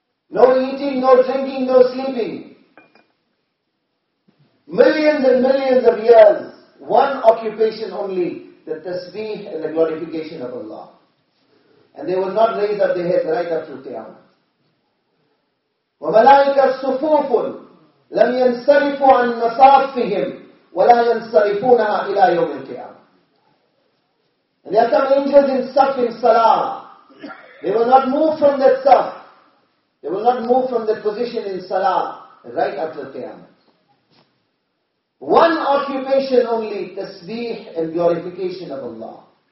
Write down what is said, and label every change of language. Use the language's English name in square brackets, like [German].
[English] No eating, no drinking, no sleeping. Millions and millions of years, one occupation only, the tasbih and the glorification of Allah. And they will not raise up their heads right up to Qiyamah. [Arabic] وَمَلَائِكَ الصُّفُوفٌ لَمْ يَنْسَرِفُ عَنْ مَصَافِهِمْ وَلَا يَنْسَرِفُونَهَا إِلَى يَوْمِ الْقِيَامَةِ. [English] And there are some angels in saf in salah. They will not move from that saf. They will not move from that position in salah right after qiyamah. One occupation only, tasbih and glorification of Allah.